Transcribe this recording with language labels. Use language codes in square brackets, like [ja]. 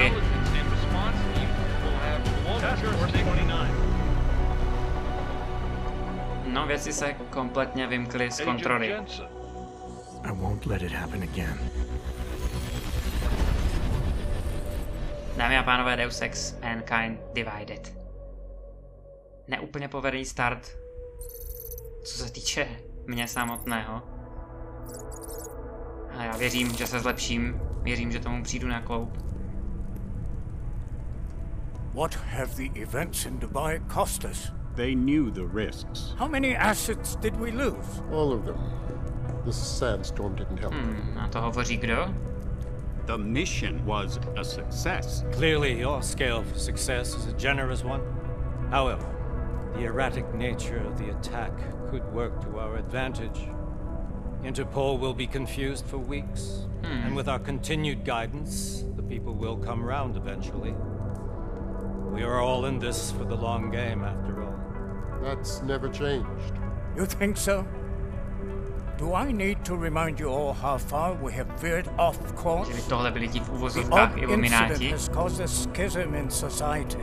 [en] Intelligence and response team will have one task force 29. [cs] No, věci se kompletně vymkly z kontroly. [en] I won't let it happen again. [cs] Dámy a pánové, Deus Ex Mankind Divided. Neúplně povedený start, co se týče mě samotného. A já věřím, že se zlepším. Věřím, že tomu přijdu na kloub. [en] What have the events in Dubai cost us? They knew the risks. How many assets did we lose? All of them. The sandstorm didn't help. [cs] A to hovoří kdo? [en] The mission was a success. Clearly your scale for success is a generous one. However, the erratic nature of the attack could work to our advantage. Interpol will be confused for weeks, and with our continued guidance, the people will come round eventually. We are all in this for the long game, after all. That's never changed. You think so? Do I need to remind you all how far we have veered off course? [cs] Že by tohle byli ti v uvozovkách ilumináti. [en] The odd incident has caused a schism in society.